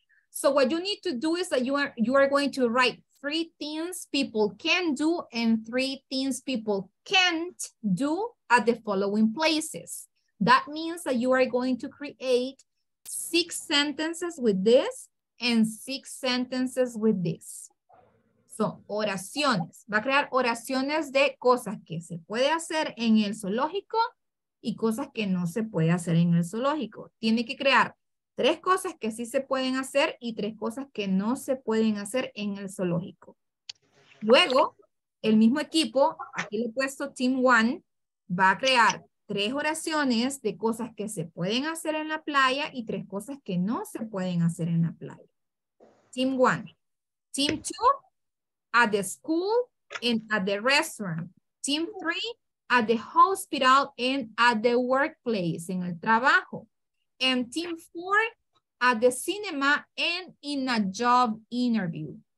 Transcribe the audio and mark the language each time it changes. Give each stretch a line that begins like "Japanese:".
English: So what you need to do is that you are going to write three things people can do and three things people can't do at the following places. That means that you are going to create six sentences with this and six sentences with this. So oraciones.
Spanish: Va a crear oraciones de cosas que se puede hacer en el zoológico y cosas que no se puede hacer en el zoológico. Tiene que crear tres cosas que sí se pueden hacer y tres cosas que no se pueden hacer en el zoológico. Luego, el mismo equipo, aquí le he puesto Team One, va a crear tres oraciones de cosas que se pueden hacer en la playa y tres cosas que no se pueden hacer en la playa.
English: Team One. Team Two, at the school and at the restaurant. Team Three, at the hospital and at the workplace,
Spanish: en el trabajo.
English: And team four, at the cinema and in a job interview.